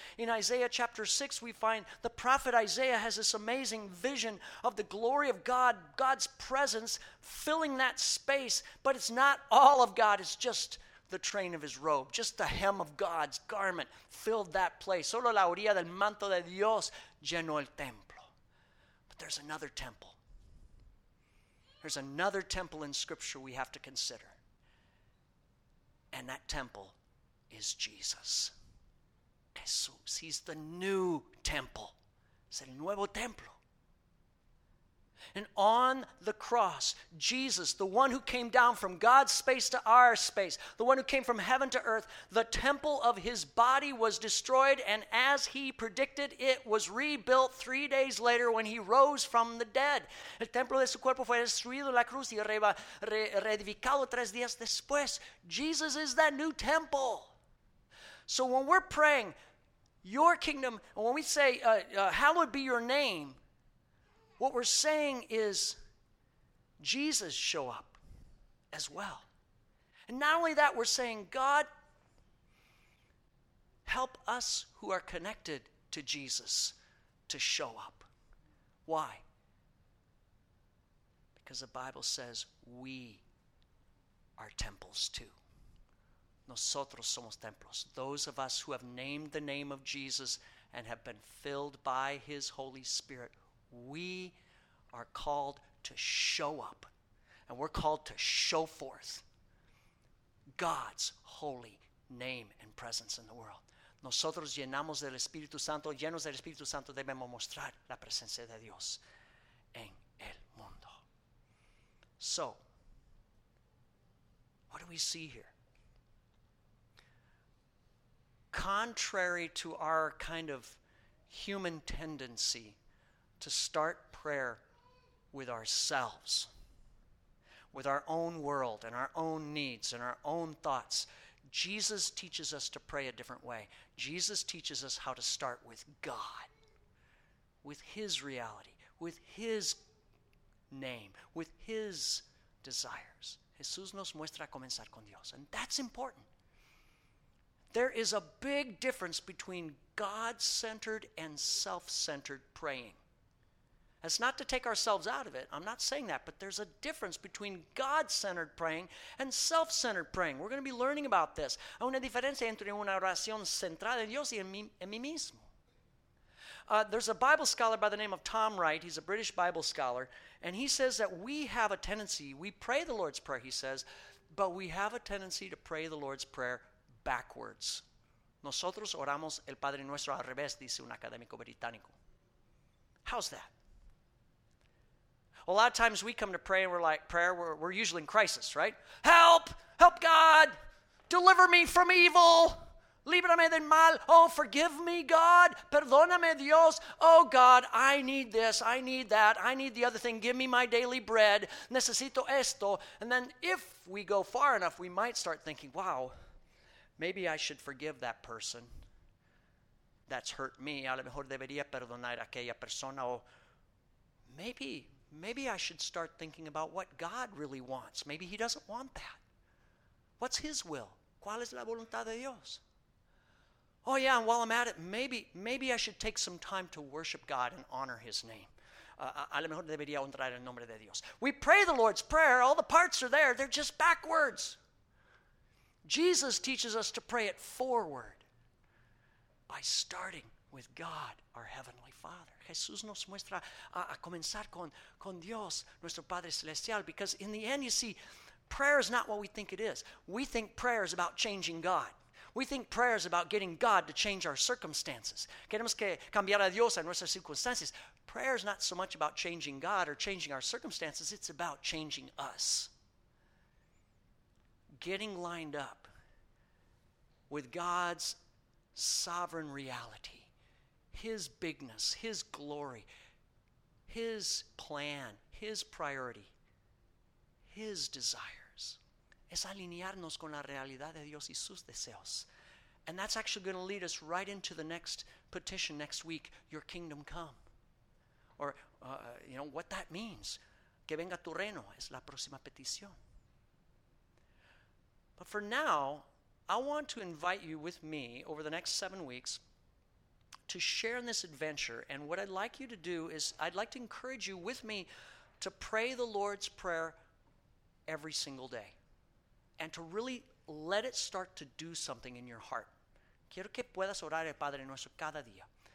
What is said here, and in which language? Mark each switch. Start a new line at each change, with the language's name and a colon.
English: In Isaiah chapter 6, we find the prophet Isaiah has this amazing vision of the glory of God, God's presence filling that space. But it's not all of God, it's just the train of his robe, just the hem of God's garment filled that place.
Spanish: Solo la orilla del manto de Dios llenó el templo.
English: But there's another temple. There's another temple in Scripture we have to consider. And that temple is Jesus. Jesus, he's the new temple.
Spanish: Es el nuevo templo.
English: And on the cross, Jesus, the one who came down from God's space to our space, the one who came from heaven to earth, the temple of his body was destroyed, and as he predicted, it was rebuilt 3 days later when he rose from the dead.
Spanish: El templo de su cuerpo fue destruido en la cruz y reedificado 3 días después.
English: Jesus is that new temple. So when we're praying, your kingdom, when we say, hallowed be your name, What we're saying is Jesus show up as well. And not only that, we're saying, God, help us who are connected to Jesus to show up. Why? Because the Bible says we are temples too.
Spanish: Nosotros somos templos.
English: Those of us who have named the name of Jesus and have been filled by his Holy Spirit, we are called to show up. And we're called to show forth God's holy name and presence in the world.
Spanish: Nosotros llenamos del Espíritu Santo, llenos del Espíritu Santo, debemos mostrar la presencia de Dios en el mundo.
English: So, what do we see here? Contrary to our kind of human tendency to start prayer with ourselves, with our own world and our own needs and our own thoughts, Jesus teaches us to pray a different way. Jesus teaches us how to start with God, with his reality, with his name, with his desires.
Spanish: Jesús nos muestra comenzar con Dios.
English: And that's important. There is a big difference between God-centered and self-centered praying. That's not to take ourselves out of it. I'm not saying that. But there's a difference between God-centered praying and self-centered praying. We're going to be learning about this.
Spanish: Hay una diferencia entre una oración centrada en Dios y en mí mismo.
English: There's a Bible scholar by the name of Tom Wright. He's a British Bible scholar. And he says that we have a tendency, we pray the Lord's Prayer, he says, but we have a tendency to pray the Lord's Prayer backwards.
Spanish: Nosotros oramos el Padre Nuestro al revés, dice un académico británico.
English: How's that? A lot of times we come to pray and we're like, prayer, we're usually in crisis, right? Help! Help God! Deliver me from evil!
Spanish: Líbrame del mal!
English: Oh, forgive me, God!
Spanish: Perdóname, Dios!
English: Oh, God, I need this, I need that, I need the other thing. Give me my daily bread.
Spanish: Necesito esto.
English: And then if we go far enough, we might start thinking, wow, maybe I should forgive that person that's hurt me.
Spanish: A lo mejor debería perdonar a aquella persona.
English: Or maybe I should start thinking about what God really wants. Maybe he doesn't want that. What's his will?
Spanish: ¿Cuál es la voluntad de Dios?
English: Oh, yeah, and while I'm at it, maybe I should take some time to worship God and honor his name.
Spanish: A lo mejor debería honrar el nombre de Dios.
English: We pray the Lord's Prayer. All the parts are there. They're just backwards. Jesus teaches us to pray it forward by starting with God, our Heavenly Father.
Spanish: Jesús nos muestra a comenzar con Dios, nuestro Padre Celestial,
English: because in the end, you see, prayer is not what we think it is. We think prayer is about changing God. We think prayer is about getting God to change our circumstances.
Spanish: Queremos que cambiar a Dios en nuestras circunstancias.
English: Prayer is not so much about changing God or changing our circumstances. It's about changing us. Getting lined up with God's sovereign reality, his bigness, his glory, his plan, his priority, his desires.
Spanish: Es alinearnos con la realidad de Dios y sus deseos.
English: And that's actually going to lead us right into the next petition next week, your kingdom come. Or, you know, what that means.
Spanish: Que venga tu reino es la próxima petición.
English: But for now, I want to invite you with me over the next 7 weeks to share in this adventure. And what I'd like you to do is I'd like to encourage you with me to pray the Lord's Prayer every single day and to really let it start to do something in your heart.
Spanish: Quiero que puedas orar el Padre Nuestro cada día.